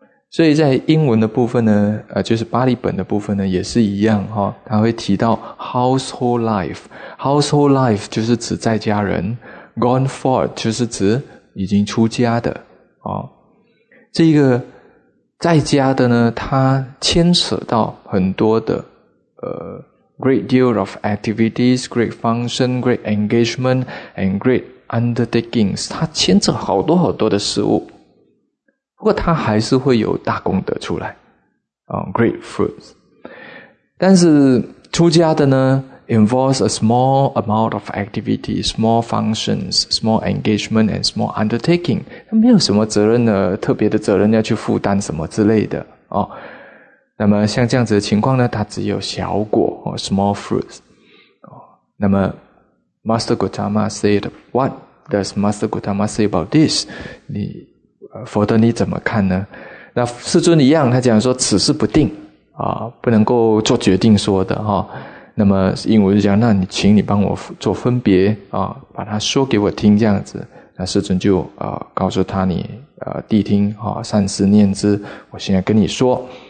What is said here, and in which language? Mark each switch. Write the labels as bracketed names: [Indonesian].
[Chinese] 所以在英文的部分呢，就是巴利本的部分呢也是一样，哦，他会提到 [English] household life [Chinese] 就是指在家人， [English] gone for [Chinese] 就是指已经出家的，哦，这个在家的呢他牵扯到很多的 [English] great deal of activities, great function, great engagement, and great undertakings. [Chinese] 它牵扯好多好多的事物。不过它还是会有大功德出来。 [English] Great fruits. [Chinese] 但是出家的呢 [English] involves a small amount of activity, small functions, small engagement, and small undertaking. [Chinese] 它没有什么责任的，特别的责任要去负担什么之类的。哦，那么像这样子的情况呢，它只有小果 [English] or small fruits。那么 Master Gautama said, What does Master Gautama say about this? [Chinese] 你佛陀你怎么看呢？那世尊一样，他讲说此事不定，啊，不能够做决定说的，啊，那么鹦鹉就讲，那你请你帮我做分别，啊，把它说给我听这样子。那世尊就，告诉他，你谛听，啊，善思念之，我现在跟你说。